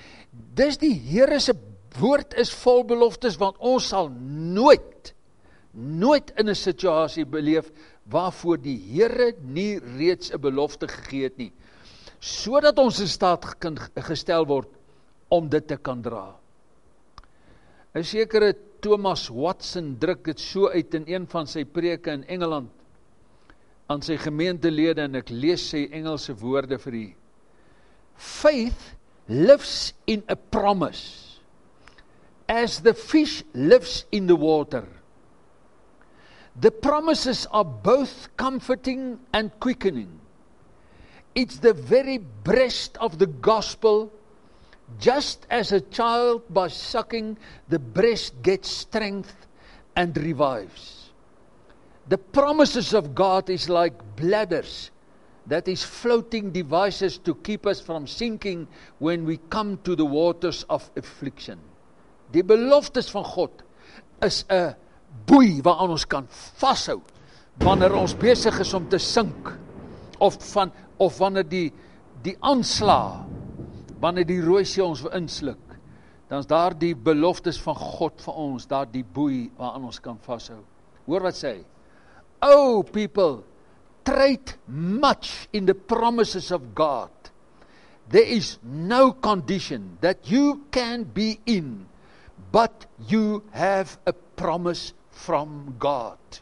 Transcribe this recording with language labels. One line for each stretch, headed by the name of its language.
Afrikaans: Dis die Here se woord is vol beloftes, want ons sal nooit in 'n situasie beleef waarvoor die Here nie reeds 'n belofte gegee het nie, sodat ons in staat gestel word om dit te kan dra. 'n Sekere Thomas Watson druk dit so uit in een van sy preke in Engeland aan sy gemeentelede, en ek lees sy Engelse woorde vir u.
English: Faith lives in a promise as the fish lives in the water. The promises are both comforting and quickening. It's the very breast of the gospel, just as a child by sucking the breast gets strength and revives. The promises of God is like bladders, that is floating devices to keep us from sinking when we come to the waters of affliction.
Afrikaans: Die beloftes van God is 'n boei waaraan ons kan vashou wanneer ons besig is om te sink, of wanneer die aanslaa, wanneer die roosie ons insluk, dan is daar die beloftes van God vir ons, daar die boei waaraan ons kan vashou. Hoor wat sê hy:
English: Oh people, trade much in the promises of God. There is no condition that you can be in but you have a promise from God.